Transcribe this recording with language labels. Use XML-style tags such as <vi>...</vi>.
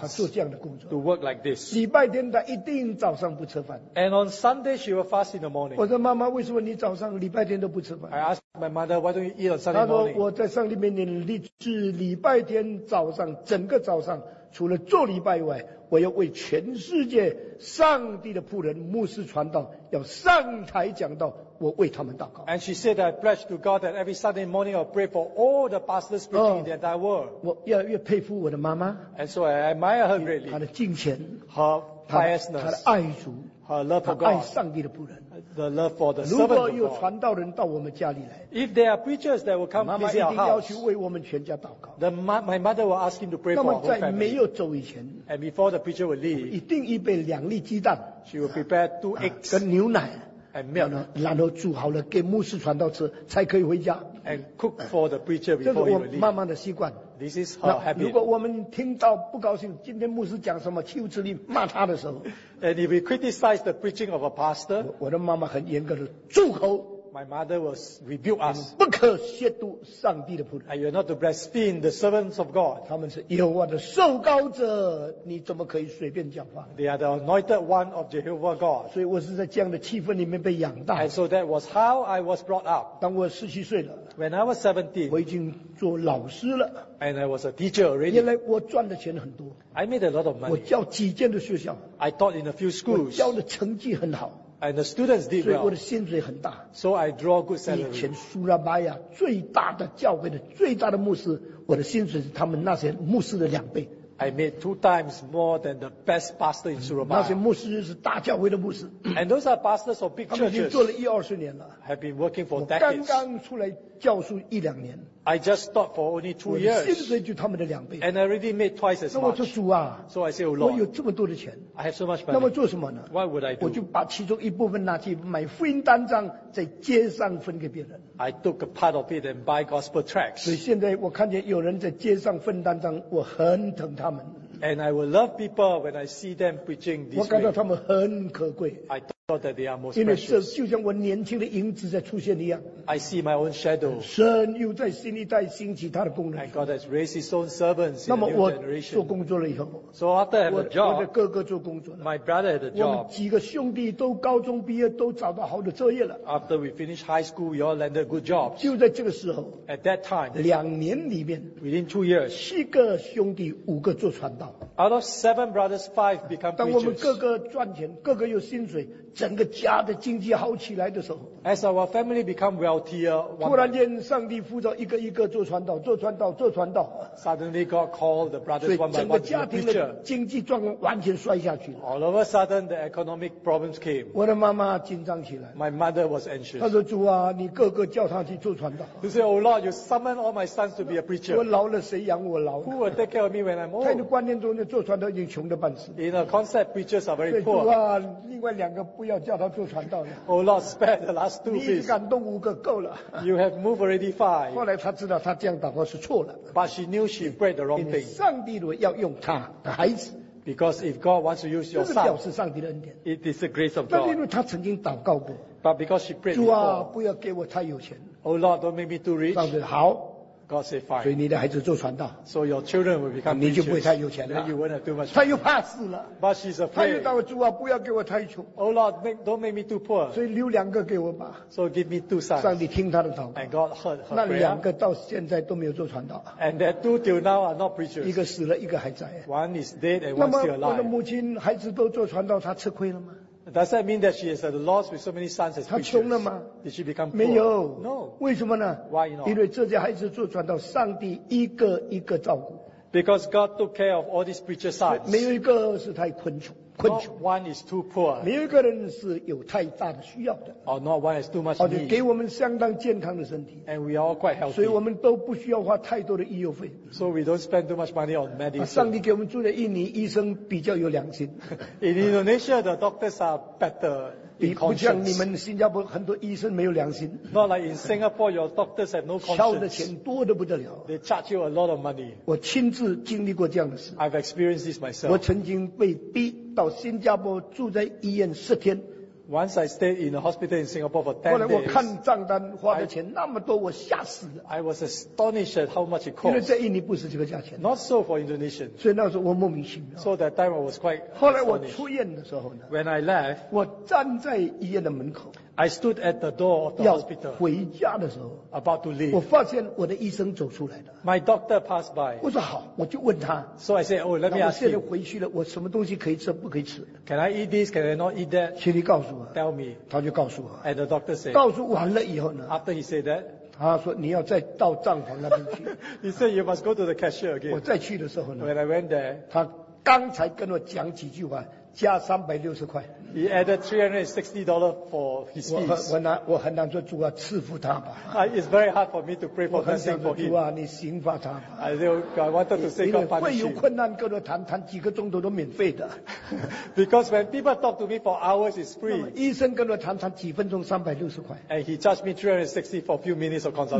<zh>他做这样的工作</zh> <en>to work like this.</en> <zh>礼拜天他一定早上不吃饭</zh> <en>And on Sunday she will fast in the morning.</en> <zh>我说妈妈为什么你早上礼拜天都不吃饭</zh> <en>I asked my mother why don't you eat on Sunday morning.</en> <zh>她说我在上帝面前立志礼拜天早上整个早上除了做礼拜以外，我要为全世界上帝的仆人牧师传道，要上台讲道，我为他们祷告。</zh> <en>And she said, I pledge to God that every Sunday morning I'll pray for all the pastors preaching in the entire world.</en> <zh>我越来越佩服我的妈妈。</zh> <en>And so I admire her greatly.</en> <zh>她的敬虔。</zh> <en>Her piousness.</en> <zh>她的爱主。</zh> <en>Her love for God.</en> <zh>爱上帝的仆人。</zh> <en>The love for the servant.</en> <zh>如果有传道人到我们家里来。</zh> <en>If there are preachers that will come visit our house.</en> <zh>妈妈一定要去为我们全家祷告。</zh> <en>The my mother will ask him to pray for our whole family.</en> <zh>那么在没有走以前。</zh> <en>And before the preacher will leave.</en> <zh>一定预备两粒鸡蛋。</zh> <en>She will prepare two eggs.</en> <zh>跟牛奶。</zh> <en>And milk.</en> <zh>然后煮好了给牧师传道吃才可以回家。</zh> <en>And cook for the preacher before he will leave.</en> <zh>这是我妈妈的习惯。</zh> <en>This is her habit.</en> <zh>如果我们听到不高兴，今天牧师讲什么岂有此理骂他的时候。</zh> <en>And if we criticize the preaching of a pastor.</en> <zh>我的妈妈很严格的住口。</zh> <en>My mother will rebuke us.</en> <zh>不可亵渎上帝的仆人。</zh> <en>And you're not to blaspheme the servants of God.</en> <zh>他们是耶和华的受膏者，你怎么可以随便讲话？</zh> <en>They are the anointed one of Jehovah God.</en> <zh>所以我是在这样的气氛里面被养大。</zh> <en>And so that was how I was brought up.</en> <zh>当我17岁了。</zh> <en>When I was 17.</en> <zh>我已经做老师了。</zh> <en>And I was a teacher already.</en> <zh>原来我赚的钱很多。</zh> <en>I made a lot of money.</en> <zh>我教几间的学校。</zh> <en>I taught in a few schools.</en> <zh>我教的成绩很好。</zh> <en>And the students did well.</en> <zh>所以我的薪水很大。</zh> <en>So I draw good salary.</en> <zh>以前苏拉巴亚最大的教会的最大的牧师，我的薪水是他们那些牧师的两倍。</zh> <en>I made two times more than the best pastor in Surabaya.</en> <zh>那些牧师是大教会的牧师。</zh> <en>And those are pastors of big churches.</en> <zh>他们已经做了一二十年了。</zh> <en>Have been working for decades.</en> <zh>我刚刚出来教书一两年。</zh> <en>I just taught for only 2 years.</en> <zh>薪水就他们的两倍。</zh> <en>And I already made twice as much.</en> <zh>那我就主啊。</zh> <en>So I say, oh Lord.</en> <zh>我有这么多的钱。</zh> <en>I have so much money.</en> <zh>那么做什么呢？</zh> <en>Why would I do?</en> <zh>我就把其中一部分拿去买福音单张，在街上分给别人。</zh> <en>I took a part of it and buy gospel tracts.</en> <zh>所以现在我看见有人在街上分单张，我很疼他们。</zh> <en>And I will love people when I see them preaching this way.</en> <zh>我感到他们很可贵。</zh> <en>I thought that they are most precious.</en> <zh>因为就像我年轻的影子在出现一样。</zh> <en>I see my own shadow.</en> <zh>神又在新一代兴起他的工人。</zh> <en>And God has raised his own servants in the new generation.</en> <zh>做工作了以后。</zh> <en>So after I have a job.</en> <zh>我的哥哥做工作了。</zh> <en>My brother had a job.</en> <zh>我们几个兄弟都高中毕业都找到好的职业了。</zh> <en>After we finished high school, we all landed good jobs.</en> <zh>就在这个时候。</zh> <en>At that time.</en> <zh>两年里面。</zh> <en>Within 2 years.</en> <zh>七个兄弟五个做传道。</zh> <en>Out of 7 brothers, 5 become preachers.</en> <zh>当我们各个赚钱，各个有薪水，整个家的经济好起来的时候。</zh> <en>As our family become wealthier,</en> <zh>突然间上帝呼召一个一个做传道，做传道，做传道。</zh> <en>Suddenly God called the brothers one by one to preach.</en> <zh>整个家庭的经济状况完全摔下去了。</zh> <en>All of a sudden, the economic problems came.</en> <zh>我的妈妈紧张起来。</zh> <en>My mother was anxious.</en> <zh>她说：“主啊，你哥哥叫他去做传道。</zh> <en>”She said, "Oh Lord, you summon all my sons to be a preacher."</en> <zh>我老了，谁养我老</zh> <en>？Who will take care of me when I'm old?</en> <zh>他的观念中间做传道已经穷得半死。</zh> <en>In a concept, preachers are very poor.</en> <zh>主啊，另外两个不要叫他做传道了。</zh> <en>Oh Lord, spare the last.</en> <zh>你感动五个够了。</zh> <en>You have moved already 5.</en> <zh>后来他知道他这样祷告是错了。</zh> <en>But she knew she prayed the wrong thing.</en> <zh>上帝如果要用他的孩子。</zh> <en>Because if God wants to use your son.</en> <zh>这个是上帝的恩典。</zh> <en>It is the grace of God.</en> <zh>但因为他曾经祷告过。</zh> <en>But because she prayed before.</en> <zh>主啊，不要给我太有钱。</zh> <en>Oh Lord, don't make me too rich.</en> <zh>上帝好。</zh> <en>God said fine.</en> <zh>所以你的孩子做传道。</zh> <en>So your children will become preachers.</en> <zh>你就不会太有钱了。</zh> <en>Then you won't have too much.</en> <zh>他又怕死了。</zh> <en>But she's afraid.</en> <zh>他又祷告主啊，不要给我太穷。</zh> <en>Oh Lord, don't make me too poor.</en> <zh>所以留两个给我吧。</zh> <en>So give me 2 sons.</en> <zh>上帝听他的祷告。</zh> <en>And God heard her.</en> <zh>那两个到现在都没有做传道。</zh> <en>And that two till now are not preachers.</en> <zh>一个死了，一个还在。</zh> <en>One is dead and one still alive.</en> <zh>那么我的母亲孩子都做传道，她吃亏了吗？</zh> <en>Does that mean that she has had a loss with so many sons as preachers?</en> <zh>她穷了吗？</zh> <en>Did she become poor?</en> <zh>没有。</zh> <en>No.</en> <zh>为什么呢？</zh> <en>Why not?</en> <zh>因为这些孩子做传道，上帝一个一个照顾。</zh> <en>Because God took care of all these preachers' sons.</en> <zh>没有一个是太困穷。</zh> <en>Not one is too poor.</en> <zh>没有一个人是有太大的需要的。</zh> <en>Or not one is too much need.</en> <zh>给我们相当健康的身体。</zh> <en>And we are all quite healthy.</en> <zh>所以我们都不需要花太多的医药费。</zh> <en>So we don't spend too much money on medicine.</en> <zh>上帝给我们住在印尼，医生比较有良心。</zh> <en>In Indonesia, the doctors are better.</en> <zh>不像你们新加坡很多医生没有良心。</zh> <en>Not like in Singapore, your doctors have no conscience.</en> <zh>敲的钱多得不得了。</zh> <en>They charge you a lot of money.</en> <zh>我亲自经历过这样的事。</zh> <en>I've experienced this myself.</en> <zh>我曾经被逼到新加坡住在医院10天。</zh> <en>Once I stayed in a hospital in Singapore for 10 days.</en> <zh>后来我看账单花的钱那么多，我吓死了。</zh> <en>I was astonished at how much it cost.</en> <zh>因为在印尼不是这个价钱。</zh> <en>Not so for Indonesian.</en> <zh>所以那时候我莫名其妙。</zh> <en>So that time I was quite.</en> <zh>后来我出院的时候呢。</zh> <en>When I left.</en> <zh>我站在医院的门口。</zh> <en>I stood at the door of the hospital.</en> <zh>要回家的时候,</zh> <en>about to leave.</en> <zh>我发现我的医生走出来了,</zh> <en>my doctor passed by.</en> <zh>我说好,我就问他,</zh> <en>so I said, oh, let me ask you.</en> <zh>我什么东西可以吃,不可以吃?</zh> <en>Can I eat this? Can I not eat that?</en> <zh>请你告诉我,</zh> <en>tell me.</en> <zh>他就告诉我,</zh> <en>and the doctor said,</en> <zh>告诉完了以后呢,</zh> <en>after he said that,</en> <zh>他说你要再到帐篷那边去。</zh> <en>He said, you must go to the cashier again.</en> <zh>我再去的时候呢,</zh> <en>when I went there,</en> <zh>他刚才跟我讲几句话, 加360块。</zh> <en>He added $360 for his fees.</en> <zh>我很难说主啊, 赐福他吧。</zh> <en>It's very hard for me to pray for blessing for him.</en> <zh>我很想说主啊, 你刑罚他吧。</zh> <en>I wanted to say God punish him.</en> <zh>会有困难跟我谈, 谈几个钟头都免费的。</zh> <en>Because when people talk to me for hours, it's free.</en> <zh>医生跟我谈, 谈几分钟, 360块。</zh> <en>And he charged me $360 for a few minutes of consultation.</en>